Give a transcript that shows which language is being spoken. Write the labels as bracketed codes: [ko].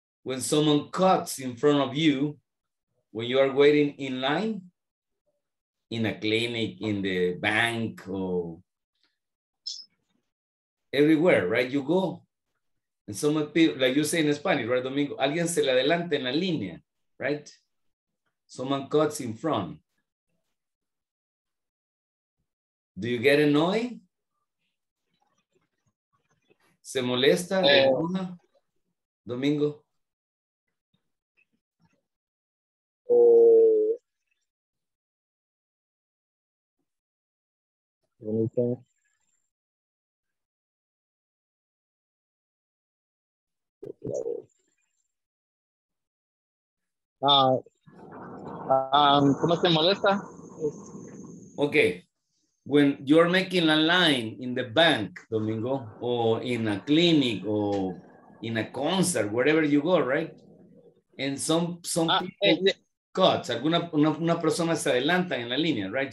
[en] when someone cuts in front of you, when you are waiting in line, in a clinic, in the bank, or everywhere, right? You go, and some people, like you say in Spanish, right, Domingo? [es] Alguien se le adelanta en la línea, right? [en] Someone cuts in front. Do you get annoyed? [es] ¿Se molesta la luna, Domingo? ¿Cómo se molesta? [en] Okay. When you're making a line in the bank, Domingo, or in a clinic, or in a concert, wherever you go, right? And some people cut. [es] Alguna persona se adelanta en la línea, right?